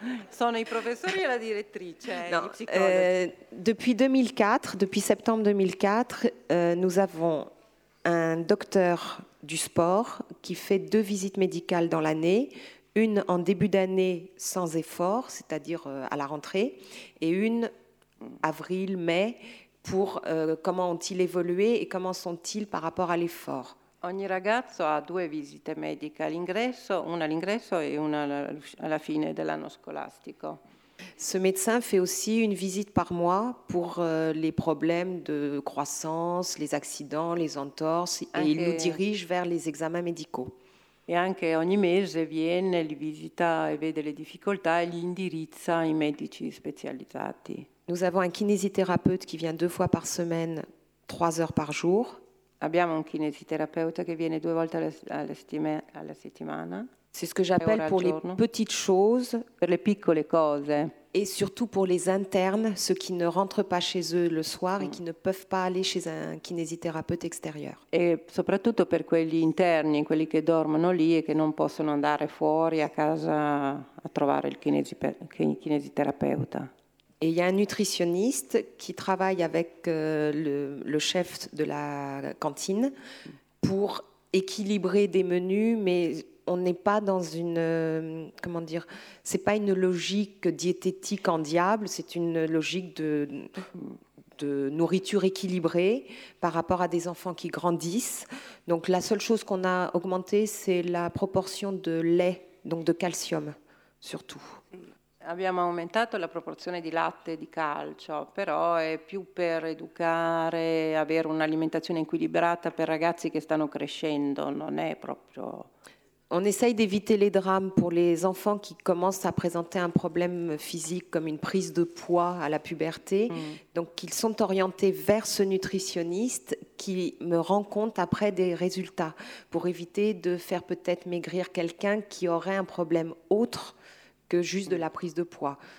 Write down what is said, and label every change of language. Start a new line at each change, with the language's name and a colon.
Italian: Sono i professori e la direttrice.
French: Non, depuis 2004, depuis septembre 2004, nous avons un docteur du sport qui fait deux visites médicales dans l'année. Une en début d'année sans effort, c'est-à-dire à la rentrée, et une avril, mai, pour comment ont-ils évolué et comment sont-ils par rapport à l'effort.
Italian: Ogni ragazzo ha due visite mediche all'ingresso, una all'ingresso e una alla fine dell'anno scolastico.
French: Ce médecin fait aussi une visite par mois pour les problèmes de croissance, les accidents, les entorses, et il nous dirige vers les examens médicaux.
Italian: E anche ogni mese viene, li visita e vede le difficoltà e li indirizza ai medici specializzati.
French: Nous avons un kinésithérapeute qui vient deux fois par semaine, trois heures par jour.
Italian: Abbiamo un
French: kinésithérapeute qui vient deux fois à la semaine. C'est ce que j'appelle pour les petites choses.
Italian: Per le piccole cose.
French: Et surtout pour les internes, ceux qui ne rentrent pas chez eux le soir et qui ne peuvent pas aller chez un kinésithérapeute extérieur.
Italian: Et soprattutto per quelli interni, quelli che dormono lì e che non possono andare fuori a casa a trovare il kinésithérapeute.
French: Et il y a un nutritionniste qui travaille avec le chef de la cantine pour équilibrer des menus, mais on n'est pas dans une, comment dire, c'est pas une logique diététique en diable, c'est une logique de nourriture équilibrée par rapport à des enfants qui grandissent. Donc la seule chose qu'on a augmentée, c'est la proportion de lait, donc de calcium surtout.
Italian: Abbiamo aumentato la proporzione di latte e di calcio, però è più per educare, avere un'alimentazione equilibrata per ragazzi che stanno crescendo, non è proprio.
French: On essaye d'éviter les drames pour les enfants qui commencent à présenter un problème physique comme une prise de poids à la puberté. Donc ils sont orientés vers ce nutritionniste qui me rend compte après des résultats pour éviter de faire peut-être maigrir quelqu'un qui aurait un problème autre que juste de la prise de poids.